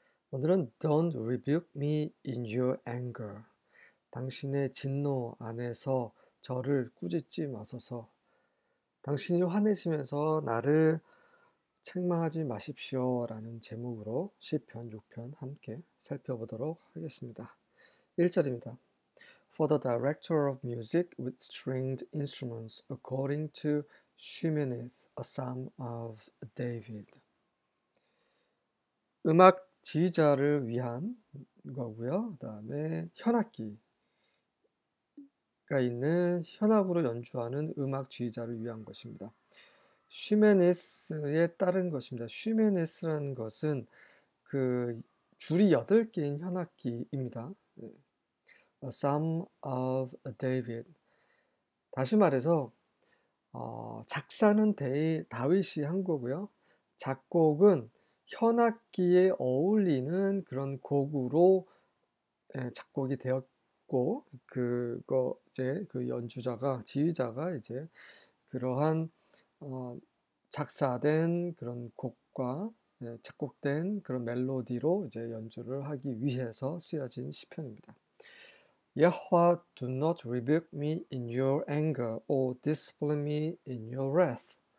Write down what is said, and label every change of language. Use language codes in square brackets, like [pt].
[ko] 오늘은 [en] Don't rebuke me in your anger. [ko] 당신의 진노 안에서 저를 꾸짖지 마소서. 당신이 화내시면서 나를 책망하지 마십시오라는 제목으로 시편 6편 함께 살펴보도록 하겠습니다. 1절입니다. [en] For the director of music with stringed instruments, according to Shimineth, a psalm of David. [ko] 음악 지휘자를 위한 거고요. 그다음에 현악기가 있는 현악으로 연주하는 음악 지휘자를 위한 것입니다. Shimineth에 따른 것입니다. Shimineth라는 것은 그 줄이 8개인 현악기입니다. [en] A Psalm of David. [ko] 다시 말해서 작사는 다윗이 한 거고요. 작곡은 현악기에 어울리는 그런 곡으로 작곡이 되었고 그거 이제 그 연주자가 지휘자가 이제 그러한 작사된 그런 곡과 작곡된 그런 멜로디로 이제 연주를 하기 위해서 쓰여진 시편입니다. [en] Yahweh, do not rebuke me in your anger, or discipline me in your wrath.